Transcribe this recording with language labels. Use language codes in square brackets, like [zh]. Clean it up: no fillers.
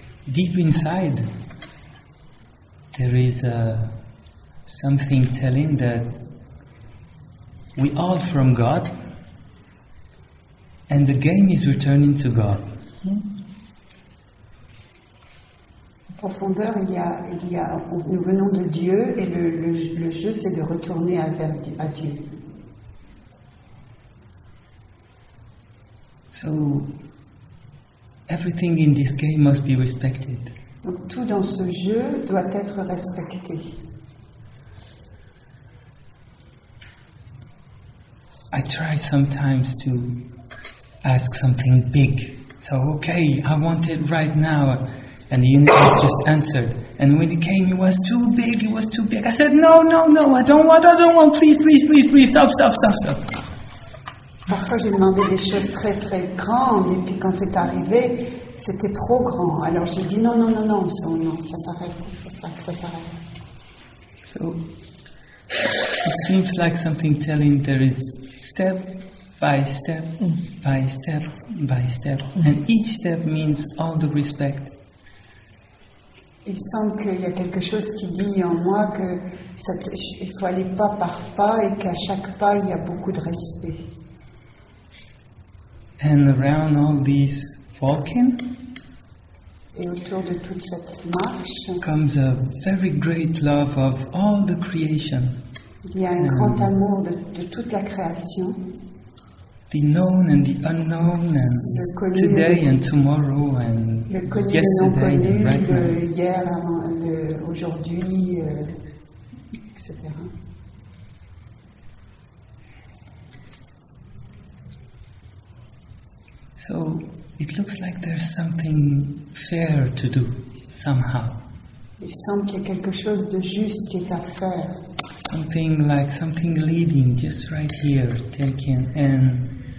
[en] Deep inside, there is something telling that we are from God. And the game is returning to God. [fr] En profondeur, il y a, nous venons de Dieu et le jeu, c'est de retourner à Dieu. [en] So, Everything in this game must be respected. [fr] Donc tout dans ce jeu doit être respecté. [en] I try sometimes to ask something big. So, okay, I want it right now. And the universe just answered. And when it came, it was too big. I said, no, I don't want, please, stop. [fr] Parfois, j'ai demandé des choses très, très grandes. Et puis quand c'est arrivé, c'était trop grand. Alors j'ai dit, non, ça s'arrête. Ça s'arrête. [en] So, it seems like something telling there is step by step, by step, by step. And each step means all the respect. [fr] Il semble qu'il y a quelque chose qui dit en moi qu'il faut aller pas par pas et qu'à chaque pas, il y a beaucoup de respect. [en] And around all these walking, [fr] et autour de toute cette marche, [en] comes a very great love of all the creation. [fr] Il y a un grand amour de toute la création. [en] The known and the unknown, and [fr] le connu, [en] today and tomorrow, and [fr] le connu, [en] yesterday, [fr] le non connu, [en] and right [fr] le [en] now. [fr] Hier, avant, le aujourd'hui, etc. [en] So it looks like there's something fair to do somehow. [fr] Il semble qu'il y a quelque chose de juste qui est à faire. [en] Something like something leading just right here, taking and.